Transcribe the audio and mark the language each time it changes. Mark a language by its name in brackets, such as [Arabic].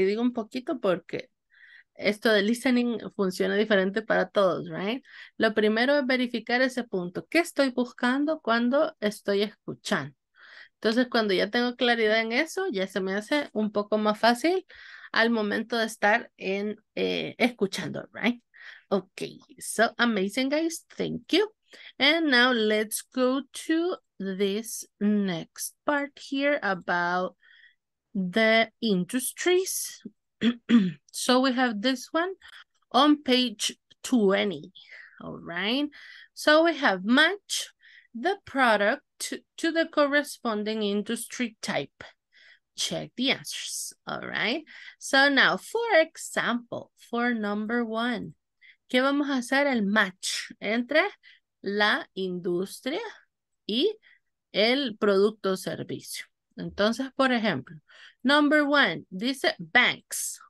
[Spanish] Y digo un poquito porque esto de listening funciona diferente para todos, right? Lo primero es verificar ese punto. ¿Qué estoy buscando cuando estoy escuchando? Entonces, cuando ya tengo claridad en eso, ya se me hace un poco más fácil al momento de estar en escuchando, right? [English] Okay, so amazing, guys. Thank you. And now let's go to this next part here about the industries. So we have this one on page 20. All right. So we have match the product to the corresponding industry type. Check the answers. All right. So now, for example, for number one, [Spanish] ¿qué vamos a hacer el match entre la industria y el producto o servicio? Entonces, por ejemplo, [English] number one, [Spanish] dice banks.